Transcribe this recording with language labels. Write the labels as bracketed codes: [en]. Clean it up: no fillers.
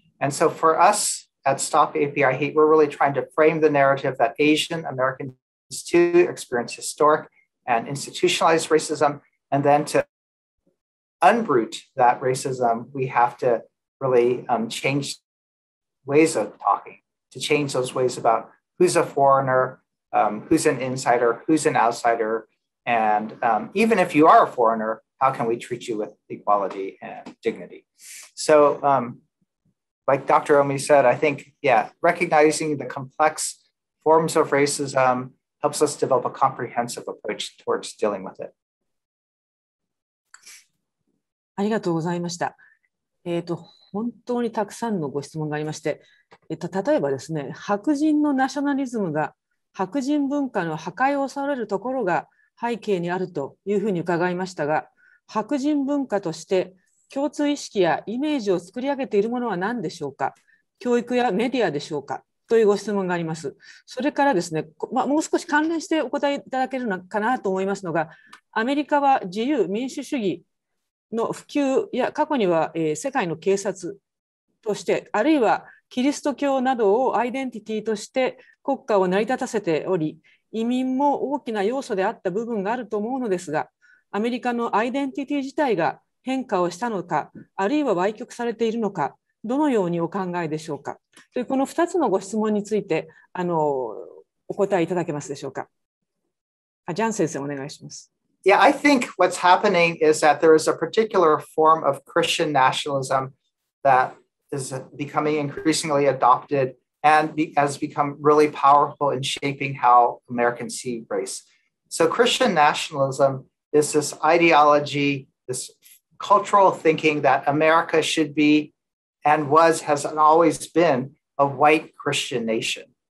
[en] And so for us at Stop AAPI Hate, we're really trying to frame the narrative that Asian Americans too experience historic and institutionalized racism, and then to unroot that racism, we have to really change ways of talking, to change those ways about who's a foreigner, who's an insider, who's an outsider, and even if you are a foreigner, how can we treat you with equality and dignity? So like Dr. Omi said, I think, yeah, recognizing the complex forms of racism helps us develop a comprehensive approach towards dealing with it. [ja] ありがとうございました。本当にたくさんのご質問がありまして、例えばですね、白人のナショナリズムが白人文化の破壊を恐れるところが背景にあるというふうに伺いましたが、白人文化として共通意識やイメージを作り上げているものは何でしょうか、教育やメディアでしょうかというご質問があります。それからですね、もう少し関連してお答えいただけるのかなと思いますのが、アメリカは自由民主主義の普及や過去には世界の警察として、あるいはキリスト教などをアイデンティティとして国家を成り立たせており、移民も大きな要素であった部分があると思うのですが、アメリカのアイデンティティ自体が変化をしたのか、あるいは歪曲されているのか、どのようにお考えでしょうか。というこの2つのご質問についてお答えいただけますでしょうか。ジャン先生お願いします。 [en] Yeah, I think what's happening is that there is a particular form of Christian nationalism that is becoming increasingly adopted and has become really powerful in shaping how Americans see race. So Christian nationalism is this ideology, this cultural thinking that America should be and was, has always been, a white Christian nation.